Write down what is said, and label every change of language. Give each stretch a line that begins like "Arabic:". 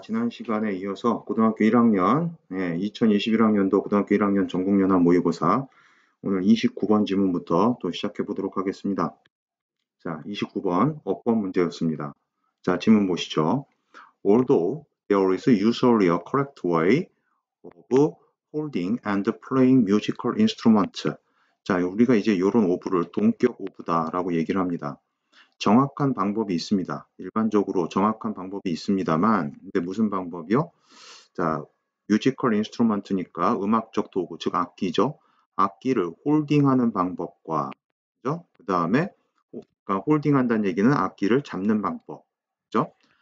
Korean: 지난 시간에 이어서 고등학교 1학년, 2021학년도 고등학교 1학년 전국연합 모의고사 오늘 29번 지문부터 또 시작해 보도록 하겠습니다. 자, 29번 어법 문제였습니다. 자, 지문 보시죠.
English: Although there is usually a correct way of holding and playing musical instruments.
Korean: 자, 우리가 이제 이런 오브를 동격 오브다라고 얘기를 합니다. 정확한 방법이 있습니다. 일반적으로 정확한 방법이 있습니다만, 근데 무슨 방법이요? 자, 뮤지컬 인스트루먼트니까 음악적 도구, 즉 악기죠. 악기를 홀딩하는 방법과, 그죠? 그 다음에, 그러니까 홀딩한다는 얘기는 악기를 잡는 방법, 그죠?